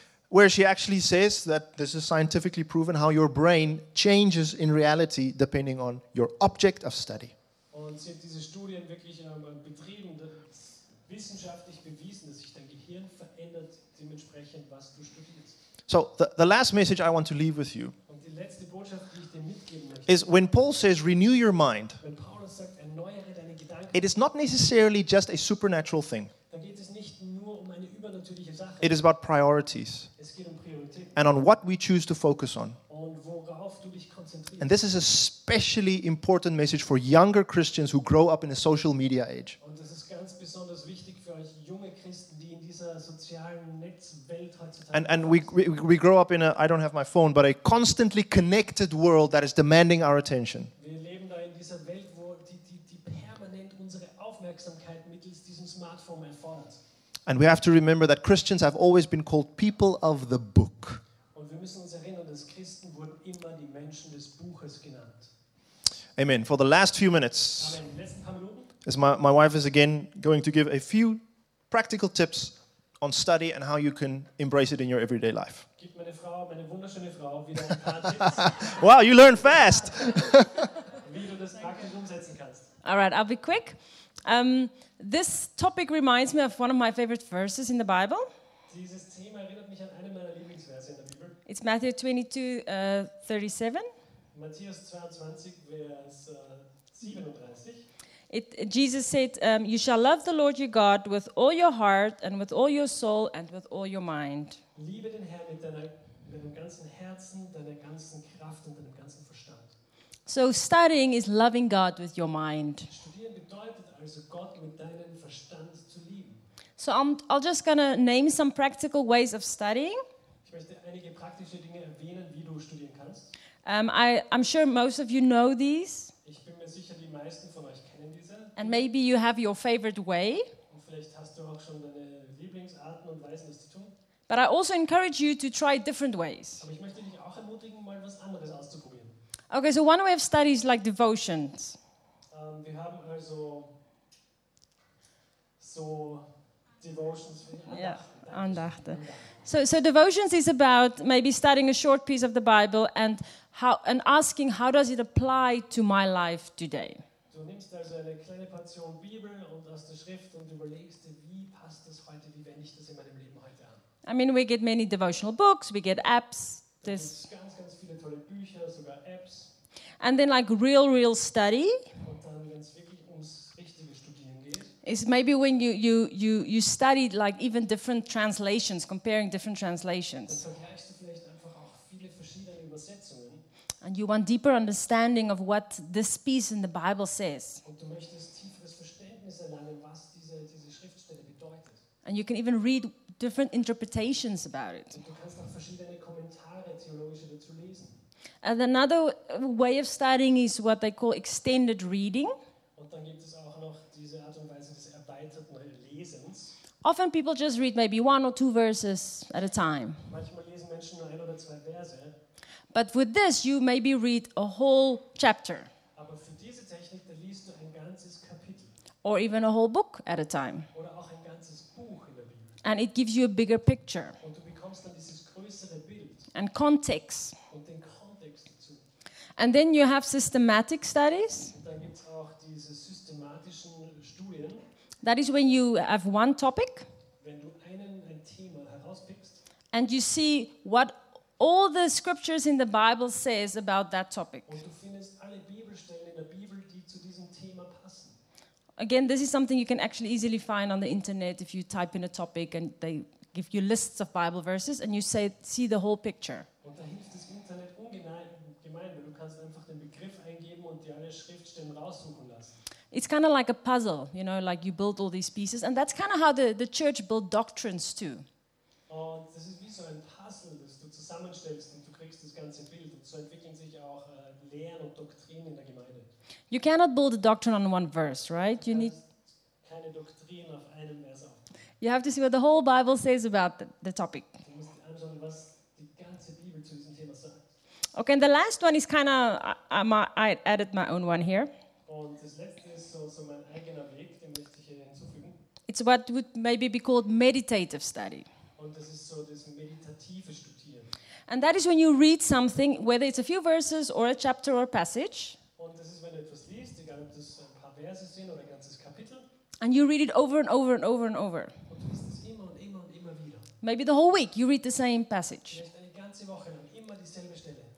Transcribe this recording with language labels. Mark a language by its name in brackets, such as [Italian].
[English] Where she actually says that this is scientifically proven how your brain changes in reality depending on your object of study. [German] Und sie hat diese Studien wirklich betrieben, wissenschaftlich bewiesen, dass sich dein Gehirn verändert, dementsprechend, was du studierst. [English] So, the last message I want to leave with you. [German] Und die letzte Botschaft, die ich dir mitgeben möchte, [English] is when Paul says, renew your mind. [German] Wenn Paulus sagt, erneuere deine Gedanken, [English] It is not necessarily just a supernatural thing. [German] Da geht es nicht nur um eine übernatürliche Sache. [English] It is about priorities. [German] Es geht um Prioritäten. [English] And on what we choose to focus on. [German] Und worauf du dich konzentrierst. [English] And this is a especially important message for younger Christians who grow up in a social media age. [German] Und das ist ganz besonders wichtig für euch junge Christen, die in dieser sozialen Netzwelt heutzutage. [English] And we grow up in a, I don't have my phone, but a constantly connected world that is demanding our attention. [German] Wir leben da in dieser Welt, wo die permanent unsere Aufmerksamkeit mittels diesem Smartphone erfordert. [English] And we have to remember that Christians have always been called people of the book. [German] Und wir müssen uns erinnern, dass Christen wurden immer die Menschen des Buches genannt. [English] Amen. For the last few minutes, [German] Amen. [English] As my wife is again going to give a few practical tips on study and how you can embrace it in your everyday life. [German] Gib meine Frau, meine wunderschöne Frau, wieder ein paar Tipps. [English] Wow, you learn fast. [German] Wie du das praktisch umsetzen kannst. [English] All right, I'll be quick. This topic reminds me of one of my favorite verses in the Bible. [German] Dieses Thema erinnert mich an einen meiner Lieblingsverse in der Bibel. [English] It's Matthew 22:37. [German] Matthäus 22, Vers 37. [English] Jesus said, you shall love the Lord your God with all your heart and with all your soul and with all your mind. [German] Liebe den Herrn mit deinem ganzen Herzen, deiner ganzen Kraft und deinem ganzen Verstand. [English] So studying is loving God with your mind. [German] Studieren bedeutet also, Gott mit deinem Verstand zu lieben. [English] So I'll just gonna name some practical ways of studying. [German] Ich möchte einige praktische Dinge erwähnen, wie du studieren kannst. [English] I'm sure most of you know these. [German] Ich bin mir sicher, die meisten von euch kennen diese. [English] And maybe you have your favorite way. [German] Und vielleicht hast du auch schon deine Lieblingsarten und Weisen, das zu tun. [English] But I also encourage you to try different ways. [German] Aber ich möchte dich auch ermutigen, mal was anderes auszuprobieren. [English] Okay, so one way of study is like devotions. [German] Wir haben also so devotions wie Andachten. [English] Yeah, Andachten. So devotions is about maybe studying a short piece of the Bible and asking how does it apply to my life today. [German] Du nimmst also eine kleine Portion Bibel und aus der Schrift und überlegst dir, wie passt das heute, wie wende ich das in meinem Leben heute an. [English] I mean, we get many devotional books, we get apps. [German] Es gibt ganz, ganz viele tolle Bücher, sogar Apps. [English] And then like real study. [German] Und dann, wenn es wirklich ums richtige Studieren geht. [English] Is maybe when you study like even different translations, comparing different translations. [German] Dann vergleichst du vielleicht einfach auch viele verschiedene Übersetzungen. [English] And you want deeper understanding of what this piece in the Bible says. [German] Und du möchtest tieferes Verständnis erlangen, was diese Schriftstelle bedeutet. [English] And you can even read different interpretations about it. [German] Und du kannst auch verschiedene Kommentare theologische dazu lesen. [English] And another way of studying is what they call extended reading. [German] Und dann gibt es auch noch diese Art und Weise des erweiterten Lesens. [English] Often people just read maybe one or two verses at a time. [German] Manchmal lesen Menschen nur ein oder zwei Verse. [English] But with this, you maybe read a whole chapter. [German] Aber für diese Technik, da liest du ein ganzes Kapitel. [English] Or even a whole book at a time. [German] Oder auch ein ganzes Buch in der Bibel. [English] And it gives you a bigger picture. [German] Und du bekommst dann dieses größere Bild. [English] And context. [German] Und den Kontext dazu. [English] And then you have systematic studies. [German] Und dann gibt's auch diese systematischen Studien. [English] That is when you have one topic. [German] Wenn du ein Thema herauspickst. [English] And you see what all the scriptures in the Bible says about that topic. [German] Und du findest alle Bibelstellen in der Bibel, die zu diesem Thema passen. [English] Again, this is something you can actually easily find on the internet if you type in a topic and they give you lists of Bible verses and you see the whole picture. [German] Und da hilft das Internet ungemein, weil du kannst einfach den Begriff eingeben und dir alle Schriftstellen raussuchen lassen. [English] It's kind of like a puzzle, you know, like you build all these pieces and that's kind of how the church built doctrines too. [German] Und das ist wie so ein Puzzle, das du zusammenstellst und du kriegst das ganze Bild und so entwickeln sich auch Lehren und Doktrinen in der Gemeinde. [English] You cannot build a doctrine on one verse, right? You need [German] keine Doktrin auf einem Vers. [English] You have to see what the whole Bible says about the topic. [German] Du musst anschauen, was die ganze Bibel zu diesem Thema sagt. [English] Okay, and the last one is kind of I added my own one here. [German] Und das letzte ist so mein eigener Weg, den möchte ich hier hinzufügen. [English] It's what would maybe be called meditative study. [German] Und das ist so das meditative Studieren. [English] And that is when you read something, whether it's a few verses or a chapter or a passage. [German] Und das ist, wenn du etwas liest, egal ob das ein paar Verse sind oder ein ganzes Kapitel. [English] And you read it over and over and over and over. [German] Und du liest es immer und immer und immer wieder. [English] Maybe the whole week you read the same passage. [German] Vielleicht eine ganze Woche lang immer dieselbe Stelle.